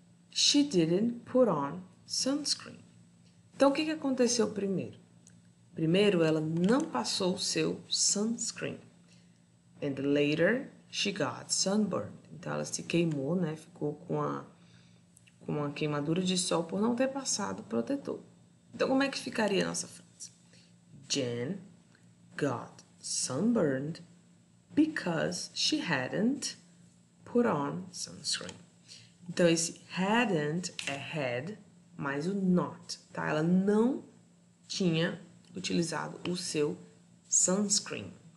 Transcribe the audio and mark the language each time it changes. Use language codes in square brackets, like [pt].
[en] She didn't put on sunscreen. [pt] Então, o que que aconteceu primeiro? Primeiro, ela não passou o seu sunscreen. [en] And later, she got sunburned. [pt] Então, ela se queimou, né? Ficou com uma queimadura de sol por não ter passado protetor. Então, como é que ficaria a nossa frase? [en] Jen got sunburned because she hadn't put on sunscreen. [pt] Então, esse hadn't é had mais o not, tá? Ela não tinha utilizado o seu sunscreen.